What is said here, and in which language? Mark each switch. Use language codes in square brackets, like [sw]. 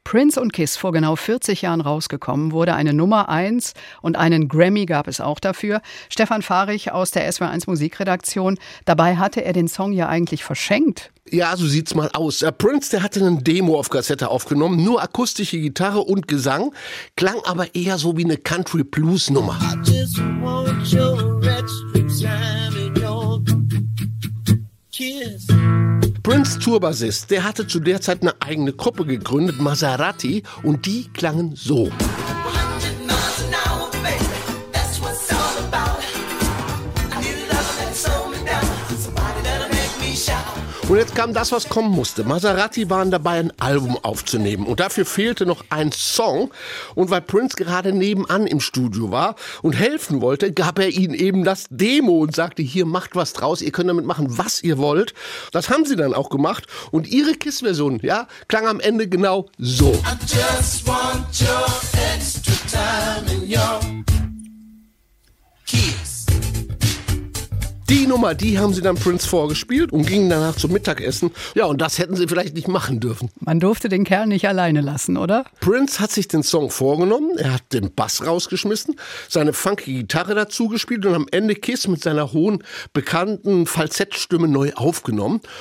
[de] Prince und Kiss, vor genau 40 Jahren rausgekommen, wurde eine Nummer 1 und einen Grammy gab es auch dafür. Stefan Fahrich aus der SWR1 Musikredaktion, dabei hatte er den Song ja eigentlich verschenkt. Ja, so sieht's mal aus. Prince, der hatte eine Demo auf Kassette aufgenommen, nur akustische Gitarre und Gesang, klang aber eher so wie eine Country-Blues-Nummer. [en] I just want your extra time in your kiss. [de] Prince Tourbassist, der hatte zu der Zeit eine eigene Gruppe gegründet, Maserati, und die klangen so. Und jetzt kam das, was kommen musste. Maserati waren dabei, ein Album aufzunehmen. Und dafür fehlte noch ein Song. Und weil Prince gerade nebenan im Studio war und helfen wollte, gab er ihnen eben das Demo und sagte, hier, macht was draus. Ihr könnt damit machen, was ihr wollt. Das haben sie dann auch gemacht. Und ihre Kiss-Version, ja, klang am Ende genau so. [en] I just want your extra time in your kiss. [de] Die Nummer, die haben sie dann Prince vorgespielt und gingen danach zum Mittagessen. Ja, und das hätten sie vielleicht nicht machen dürfen. Man durfte den Kerl nicht alleine lassen, oder? Prince hat sich den Song vorgenommen, er hat den Bass rausgeschmissen, seine funky Gitarre dazu gespielt und am Ende Kiss mit seiner hohen, bekannten Falsettstimme neu aufgenommen.